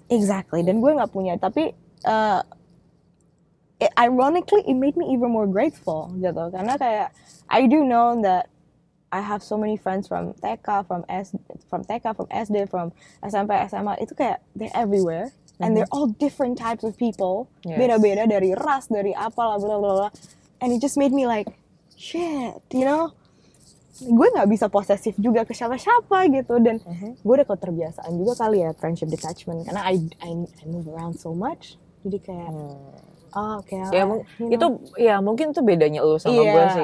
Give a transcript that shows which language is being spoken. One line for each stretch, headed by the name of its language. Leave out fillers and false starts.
English: Exactly.
Indonesian: Dan gue gak punya, tapi
English: ironically, it made me even more grateful, gitu.
Indonesian: Karena kayak,
English: I do know that I have so many friends from TK, from SD, from SMP, SMA.
Indonesian: Itu kayak,
English: they're everywhere. And they're all different types of people. Yes.
Indonesian: Beda-beda dari ras, dari apalah, blah, blah, blah.
English: And it just made me like, shit, you know?
Indonesian: Gue gak bisa posesif juga ke siapa-siapa, gitu. Dan gue udah keterbiasaan juga kali ya,
English: friendship detachment. Karena I move around so much.
Indonesian: Jadi kayak, Itu, ya mungkin itu bedanya lu sama gue sih.